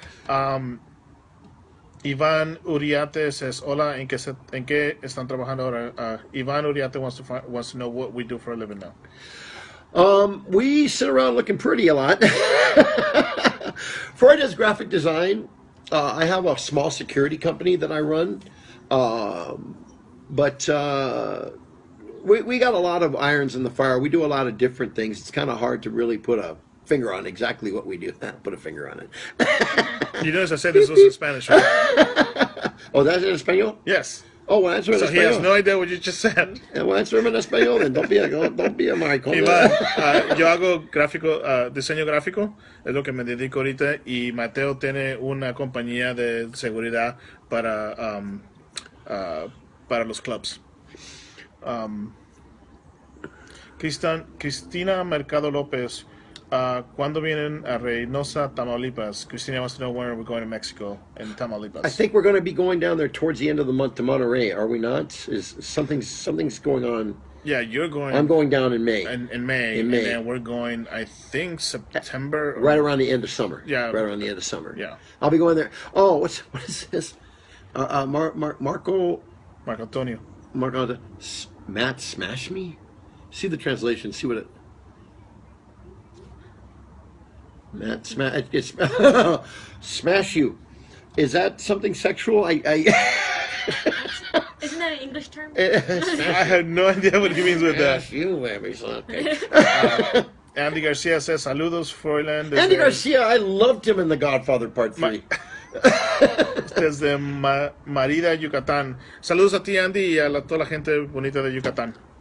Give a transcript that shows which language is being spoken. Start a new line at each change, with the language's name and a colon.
Spanish: Iván Uriate says, hola, ¿en qué están trabajando ahora?
English: Iván Uriate wants to know what we do for a living now. We sit around looking pretty a lot. Froy does graphic design. I have a small security company that I run. But we got a lot of irons in the fire. We do a lot of different things. It's kind of hard to really put a finger on exactly what we do. Put a finger on it. You notice I said this was in Spanish, right? Oh, that's in Espanol? Yes. Oh, well, answer in Espanol. So he has no idea what you just said. Yeah, well, answer him in Espanol, then. Don't be a Michael. Iván,
Spanish: yo hago gráfico, diseño gráfico, es lo que me dedico ahorita, y Mateo tiene una compañía de seguridad para los clubs. Cristina Mercado López, ¿cuándo vienen a Reynosa, Tamaulipas?
English: Cristina wants to know when we're going to Mexico and Tamaulipas. I think we're going to be going down there towards the end of the month to Monterey, are we not? Is something's going on? Yeah, you're going. I'm going down in May. In May. And then we're going, I think, September. Right around the end of summer. Yeah. Right around the end of summer. Yeah. I'll be going there. Oh, what is this? Marco Antonio. Marco Antonio. Matt, smash me? See the translation. See what it... Matt, it's smash you. Is that something sexual? I isn't that an English term? I have no idea what he means with smash that. Smash you, baby. Okay. Andy Garcia says, saludos, Froyland. Andy Garcia, I loved him in The Godfather Part 3.
Spanish: Desde Marida, Yucatán. Saludos a ti, Andy, y a toda la gente bonita de Yucatán.